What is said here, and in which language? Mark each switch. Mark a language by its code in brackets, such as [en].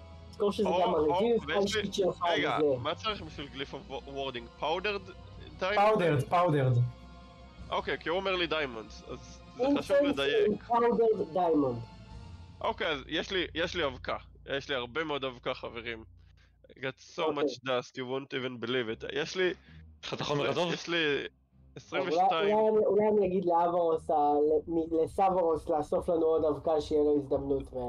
[he] תזכור שזה גם הרגיל. רגע, מה צריך בשביל גליף וורדינג? פאודרד דיימונד? פאודרד, פאודרד. אוקיי, כי הוא אומר לי דיימונד, אז... זה חשוב לדייק. אינסנסי, פאודר, דיימונד. אוקיי, אז יש לי אבקה. יש לי הרבה מאוד אבקה, חברים. [en] I got so much dust, you won't even believe it. [he] יש לי... חתכון מרדוב? יש לי... 22... אולי אני אגיד לאברוס, לסאברוס, לאסוף לנו עוד אבקה, שיהיה לו הזדמנות,